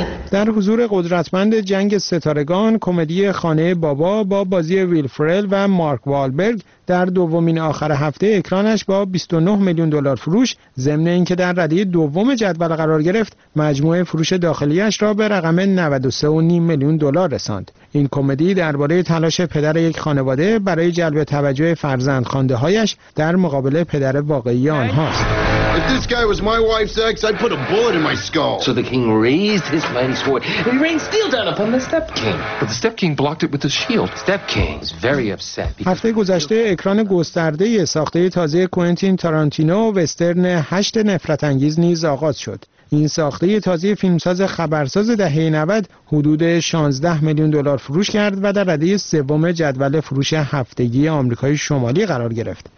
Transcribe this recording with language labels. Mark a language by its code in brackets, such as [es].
[fa] در حضور قدرتمند جنگ ستارگان، کمدی خانه بابا با بازی ویل فرل و مارک والبرگ در دومین آخر هفته اکرانش با 29 میلیون دلار فروش، ضمن اینکه در ردیه دوم جدول قرار گرفت، مجموع فروش داخلیش را به رقم 93.5 میلیون دلار رساند. این کمدی درباره تلاش پدر یک خانواده برای جلب توجه فرزندخوانده‌هایش در مقابل پدر واقعی آنهاست. [en] If this guy was my wife's ex, I'd put a bullet in my skull. So the king raised his mighty sword, and he rained steel down upon the step king. But the step king blocked it with his shield. Step king is very upset. [fa] هفته گذشته اکران گسترده ساخته تازه کوئنتین تارانتینو وسترن 8 نفرت انگیز نیز آغاز شد. این ساخته تازه فیلمساز خبرساز دهه 90 حدود 16 میلیون دلار فروش کرد و در رده سوم جدول فروش هفتگی آمریکای شمالی قرار گرفت.